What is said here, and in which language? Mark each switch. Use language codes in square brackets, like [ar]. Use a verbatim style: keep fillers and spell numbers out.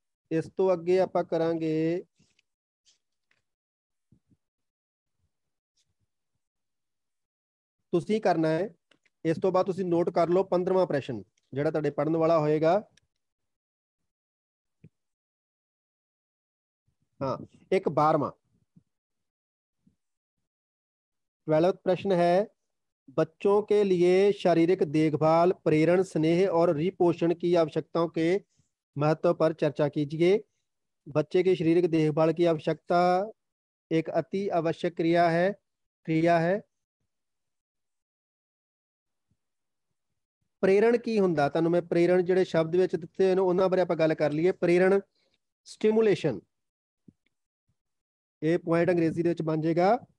[pa] ਇਸ ਤੋਂ ਅੱਗੇ ਆਪਾਂ ਕਰਾਂਗੇ ਤੁਸੀਂ ਕਰਨਾ ਹੈ, ਇਸ ਤੋਂ ਬਾਅਦ ਤੁਸੀਂ ਨੋਟ ਕਰ ਲਓ ਪੰਦਰਵਾਂ ਪ੍ਰਸ਼ਨ ਜਿਹੜਾ ਤੁਹਾਡੇ ਪੜਨ ਵਾਲਾ ਹੋਏਗਾ। ਹਾਂ, ਇੱਕ ਬਾਰਵਾਂ [hi] ट्वेल्थ प्रश्न है, बच्चों के लिए शारीरिक देखभाल, प्रेरण, स्नेह और रिपोषण की आवश्यकताओं के महत्व पर चर्चा कीजिए। बच्चे की शारीरिक देखभाल की आवश्यकता एक अति आवश्यक क्रिया है, क्रिया है। [pa] प्रेरण की हुंदा, ਤੁਹਾਨੂੰ मैं प्रेरण ਜਿਹੜੇ ਸ਼ਬਦ ਵਿੱਚ ਦਿੱਤੇ ਹੋਏ ਨੇ ਉਹਨਾਂ ਬਾਰੇ ਆਪਾਂ ਗੱਲ ਕਰ ਲਈਏ। प्रेरण, स्टिमुलेशन, ਇਹ ਪੁਆਇੰਟ ਅੰਗਰੇਜ਼ੀ ਦੇ ਵਿੱਚ ਬਣ ਜਾਏਗਾ।